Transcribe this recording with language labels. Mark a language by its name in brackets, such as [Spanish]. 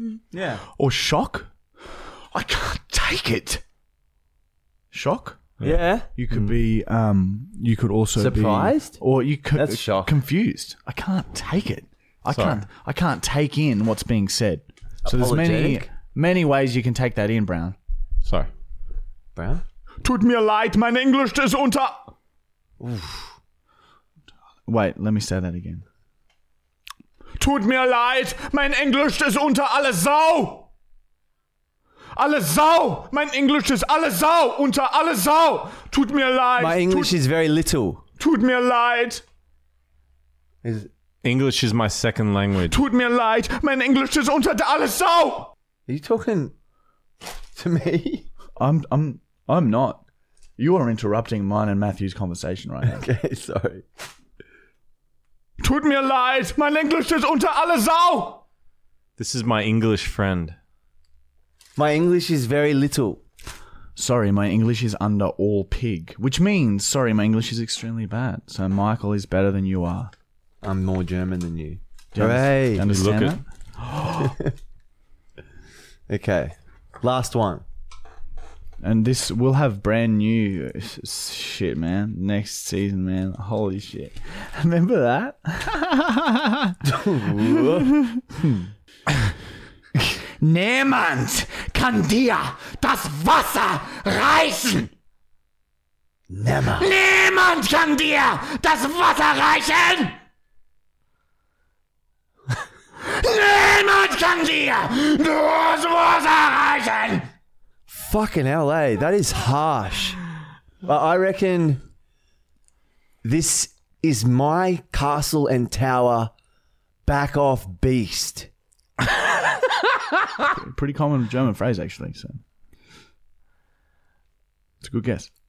[English] Yeah. Or shock? I can't take it. Shock? Yeah. You could be... you could also surprised? Be... Surprised? Or you could... That's shock. Confused. I can't take it. I can't take in what's being said. So there's many ways you can take that in, Brown. Sorry. Brown? [German] Tut mir leid, mein Englisch ist unter... Oof. [English] Wait, let me say that again. [German] Tut mir leid, mein Englisch ist unter alle Sau. Alle Sau. Mein Englisch ist alle Sau. Unter alle Sau. Tut mir leid. [English] My English is very little. [German] Tut mir leid. [English] English is my second language. [German] Tut mir leid, mein Englisch ist unter alles Sau. [English] Are you talking to me? I'm not. You are interrupting mine and Matthew's conversation right now. Okay, sorry. [German] Tut mir leid, mein Englisch ist unter alle Sau. [English] This is my English friend. My English is very little. Sorry, my English is under all pig. Which means, sorry, my English is extremely bad. So Michael is better than you are. I'm more German than you. Hooray. Do you understand that? Okay, last one. And this, we'll have brand new shit, man. Next season, man. Holy shit. Remember that? [German] Niemand kann dir das Wasser reichen. [English] Never. [German] Niemand kann dir das Wasser reichen. Niemand kann dir das Wasser reichen. [English] Fucking LA, that is harsh. I reckon this is my castle and tower. Back off, beast. Pretty common German phrase, actually. So it's a good guess,